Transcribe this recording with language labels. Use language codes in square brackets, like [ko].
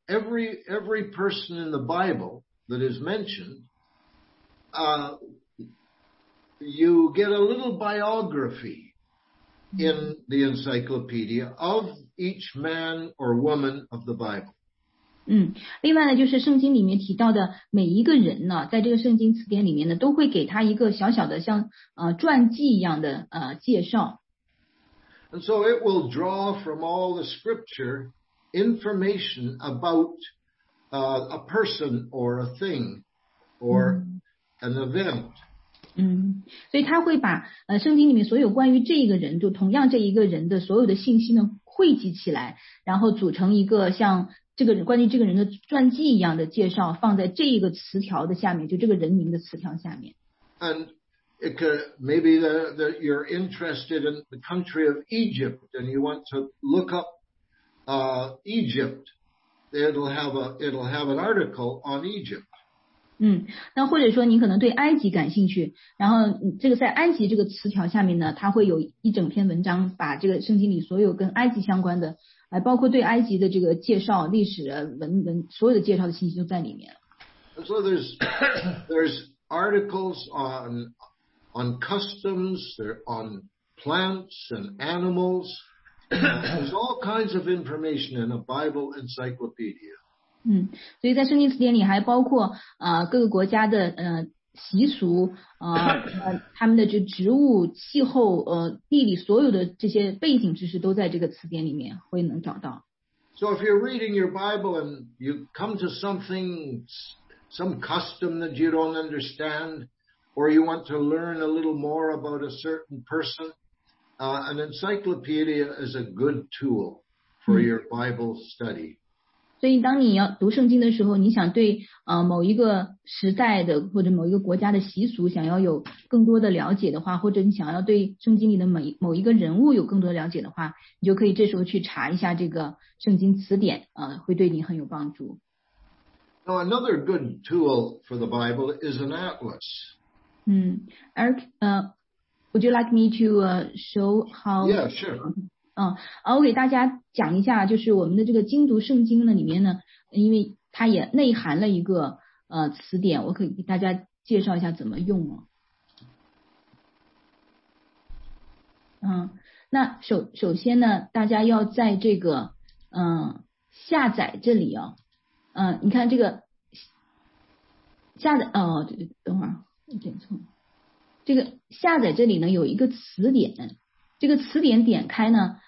[en] Every person in the Bible that is mentioned, you get a little biography in the encyclopedia of each man or woman of the Bible. [zh] 另外呢，就是圣经里面提到的每一个人呢，在这个圣经词典里面呢，都会给他一个小小的像传记一样的介绍。 [en] And so it will draw from all the scripture information about a person or a thing or an event. [zh] 所以他会把圣经里面所有关于这一个人，就同样这一个人的所有的信息呢汇集起来，然后组成一个像这个关于这个人的传记一样的介绍，放在这一个词条的下面，就这个人名的词条下面。 [en] And it could maybe that you're interested in the country of Egypt and you want to look up Egypt, it'll have an article on Egypt. [zh] 那或者说你可能对埃及感兴趣，然后这个在埃及这个词条下面呢，它会有一整篇文章，把这个圣经里所有跟埃及相关的，包括对埃及的这个介绍、历史、文所有的介绍的信息都在里面。 [en] So there's articles on customs, there on plants and animals. There's all kinds of information in a Bible encyclopedia. [zh] 所以在圣经词典里还包括各个国家的习俗他们的就植物、气候、地理所有的这些背景知识都在这个词典里面会能找到。 [en] So if you're reading your Bible and you come to something, some custom that you don't understand, or you want to learn a little more about a certain person, an encyclopedia is a good tool for your Bible study. [zh] 所以当你要读圣经的时候，你想对某一个时代的或者某一个国家的习俗想要有更多的了解的话，或者你想要对圣经里的某一个人物有更多的了解的话，你就可以这时候去查一下这个圣经词典，会对你很有帮助。 [en] Now, another good tool for the Bible is an atlas. Eric, would you like me to show how? Yeah, sure. [zh] 我给大家讲一下，就是我们的这个精读圣经呢里面呢，因为它也内含了一个词典，我可以给大家介绍一下怎么用哦。那首先呢，大家要在这个下载这里哦，你看这个下载哦，对对，等会儿我点错，这个下载这里呢有一个词典，这个词典点开呢。